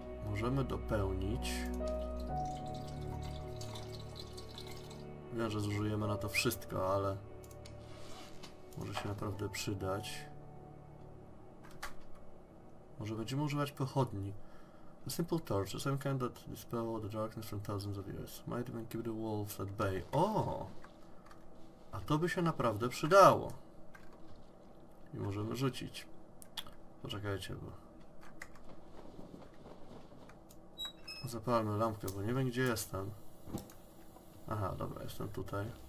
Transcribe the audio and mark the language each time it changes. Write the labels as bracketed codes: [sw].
[pl] Możemy dopełnić... Wiem, że zużyjemy na to wszystko, ale... Może się naprawdę przydać. Może będziemy używać pochodni. [en] A simple torch, a same kind that dispel the darkness from thousands of years. Might even keep the wolves at bay. O! [pl] A to by się naprawdę przydało. I możemy rzucić. Poczekajcie, bo... Zapalmy lampkę, bo nie wiem gdzie jestem. Aha, dobra, jestem tutaj.